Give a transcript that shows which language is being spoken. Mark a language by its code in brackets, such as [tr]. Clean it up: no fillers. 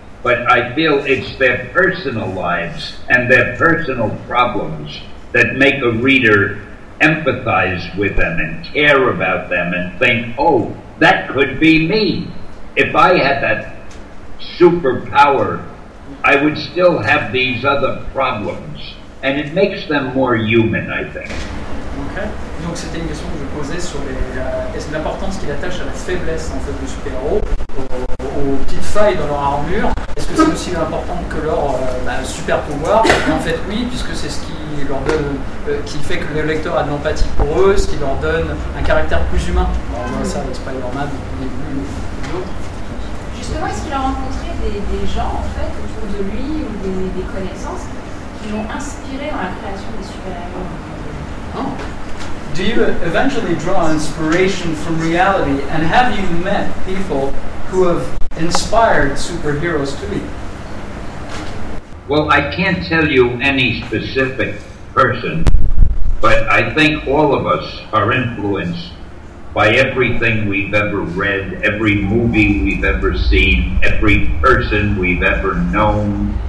[en] But I feel it's their personal lives and their personal problems that make a reader empathize with them and care about them and think, oh, that could be me. If I had that superpower, I would still have these other problems. And it makes them more human, I think. Okay. [fr] Donc c'était une question que je posais sur l'importance qu'il attache à la faiblesse en fait, du super-héros, aux petites failles dans leur armure. Est-ce que c'est aussi important que leur super-pouvoir? En fait, oui, puisque c'est ce qui leur donne, qui fait que le lecteur a de l'empathie pour eux, ce qui leur donne un caractère plus humain. Alors, on voit ça avec Spider-Man, au début, justement, est-ce qu'il a rencontré des gens en fait, autour de lui ou des connaissances qui l'ont inspiré dans la création des super-héros? [en] Do you eventually draw inspiration from reality, and have you met people who have inspired superheroes to be? Well, I can't tell you any specific person, but I think all of us are influenced by everything we've ever read, every movie we've ever seen, every person we've ever known.